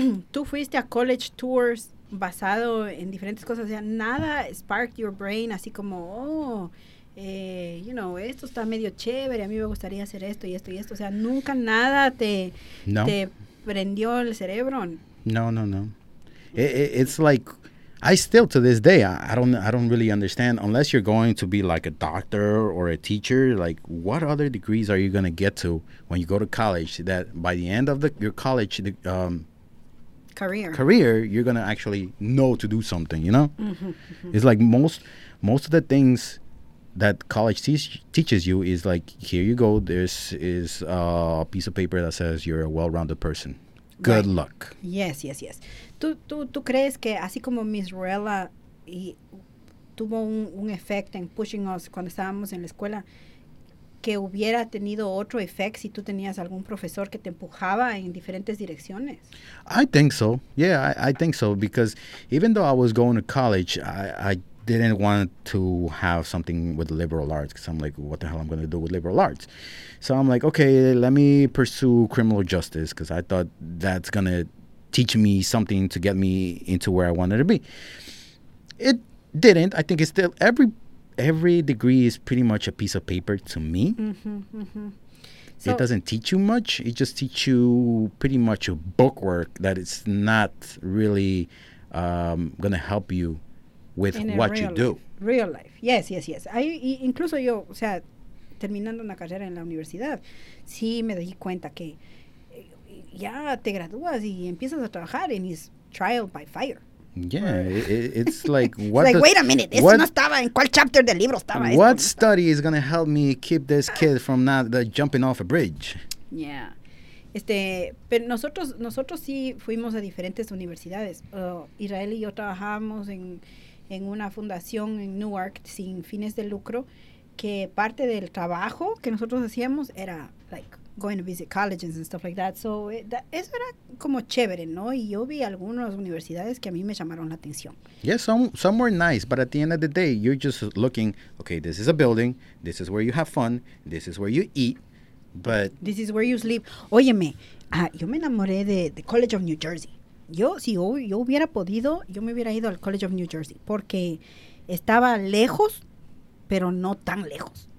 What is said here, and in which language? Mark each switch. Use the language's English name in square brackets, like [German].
[Spanish] Tú fuiste a college tours basado en diferentes cosas. O sea, nada [English] sparked your brain [Spanish] así como, esto está medio chévere, a mí me gustaría hacer esto y esto y esto. O sea, nunca nada te prendió el cerebro. No. [English] It's like, I still to this day, I don't really understand, unless you're going to be like a doctor or a teacher, like what other degrees are you going to get to when you go to college that by the end of your college career, you're going to actually know to do something, you know? It's like most of the things that college teaches you is like, here you go, this is a piece of paper that says you're a well-rounded person. Good right. luck. Yes. [Spanish] ¿Tú crees que así como Miss Ruella tuvo un efecto en [English] pushing us [Spanish] cuando estábamos en la escuela, que hubiera tenido otro efecto si tú tenías algún profesor que te empujaba en diferentes direcciones? [English] I think so. Yeah, I think so. Because even though I was going to college, I didn't want to have something with liberal arts because I'm like, what the hell I'm going to do with liberal arts? So I'm like, okay, let me pursue criminal justice because I thought that's going to teach me something to get me into where I wanted to be. It didn't. I think it's still every degree is pretty much a piece of paper to me. Mm-hmm. So it doesn't teach you much. It just teach you pretty much a bookwork that it's not really going to help you with what you do. Real life. Yes. [Spanish] Incluso yo, o sea, terminando una carrera en la universidad, sí me di cuenta que, ya te gradúas y empiezas a trabajar, [English] and it's trial by fire. Yeah, it's like, what? It's like, wait a minute, what, [Spanish] eso no estaba en cuál chapter del libro estaba. [English] What study is going to help me keep this kid from not the jumping off a bridge? [Spanish] Yeah. Pero nosotros sí fuimos a diferentes universidades. Israel y yo trabajamos en una fundación en Newark sin fines de lucro, que parte del trabajo que nosotros hacíamos era, [English] like, going to visit colleges and stuff like that. [Spanish] So, eso era como chévere, ¿no? Y yo vi algunas universidades que a mí me llamaron la atención. [English] Yeah, some were nice, but at the end of the day, you're just looking, okay, this is a building, this is where you have fun, this is where you eat, but... This is where you sleep. [Spanish] Óyeme, yo me enamoré de [English] the College of New Jersey. [Spanish] Si yo hubiera podido, yo me hubiera ido al College of New Jersey, porque estaba lejos, pero no tan lejos.